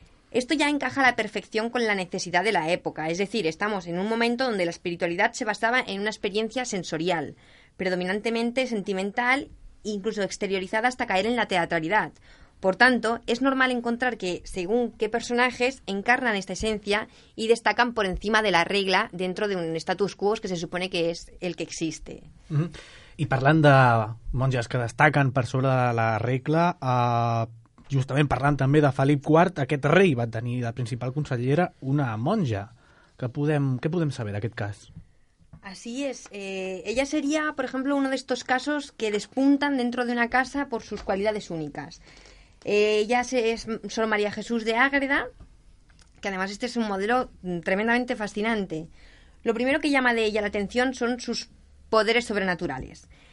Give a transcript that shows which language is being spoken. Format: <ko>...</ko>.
<es>Esto ya encaja a la perfección con la necesidad de la época, es decir, estamos en un momento donde la espiritualidad se basaba en una experiencia sensorial, predominantemente sentimental, incluso exteriorizada hasta caer en la teatralidad. Por tanto, es normal encontrar que, según qué personajes, encarnan esta esencia y destacan por encima de la regla dentro de un status quo que se supone que es el que existe.</es> <ca>I parlant de monges que destaquen per sobre de la regla, justament parlant també de Felip IV, aquest rei va tenir de principal consellera una monja. Què podem saber d'aquest cas?</ca> <es>Así es. Ella sería, por ejemplo, uno de estos casos que despuntan dentro de una casa por sus cualidades únicas. Ella es Sor María Jesús de Ágreda, que además este es un modelo tremendamente fascinante. Lo primero que llama de ella la atención son sus poderes sobrenaturales.</es>